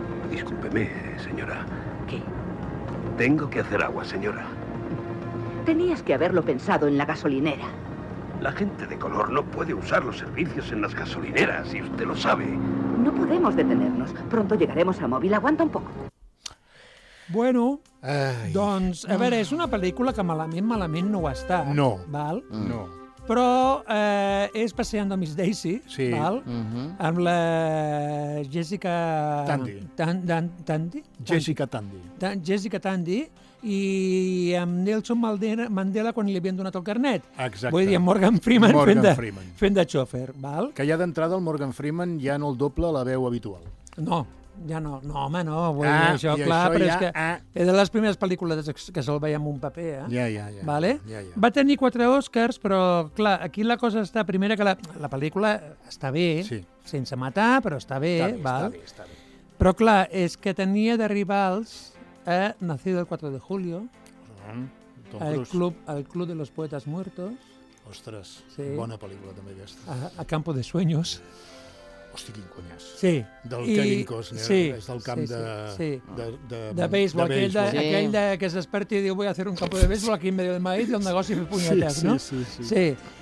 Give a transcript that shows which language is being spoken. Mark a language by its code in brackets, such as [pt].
[es] Discúlpeme, señora. ¿Qué? Tengo que hacer agua, señora. Tenías que haberlo pensado en la gasolinera. La gente de color no puede usar los servicios en las gasolineras, y usted lo sabe. No podemos detenernos. Pronto llegaremos a móvil. Aguanta un poco. [ca] Bueno, ai, doncs, a veure, és una pel·lícula que malament no ho està. No. Val? No. Però és Passejando a Miss Daisy, sí. Val? Uh-huh. Amb la Jessica... Tandy. Jessica Tandy. Jessica Tandy. I amb Nelson Mandela quan li havien donat el carnet. Exacte. Vull dir, amb Morgan Freeman, Morgan Freeman fent de xòfer. Val? Que ja d'entrada el Morgan Freeman ja no el doble la veu habitual. No, ja no. No, home, no. Vull dir, això, clar, això però ja, és que... És de les primeres pel·lícules que se'l veia amb un paper, eh? Ja, ja, ja. Vale? Ja, ja. Va tenir 4 Oscars, però, clar, aquí la cosa està... Primera, que la pel·lícula està bé, sí. Sense matar, però està bé. Està bé, val? Està bé. Però, clar, és que tenia de rivals... [es] Nacido el 4 de julio. Uh-huh. El club de los poetas muertos. [ca] Ostres, sí. Bona pel·lícula també aquesta. [es] A Campo de sueños. [ca] Hosti, quin conyes. Sí. Del Kevin Costner, sí. És del camp, sí, sí. [es] De béisbol. [ca] Aquell de que es desperti i diu vull fer un [es] campo de béisbol aquí en medio del maíz [ca] i el negoci fer punyetes, sí, no? Sí, sí, sí. Sí.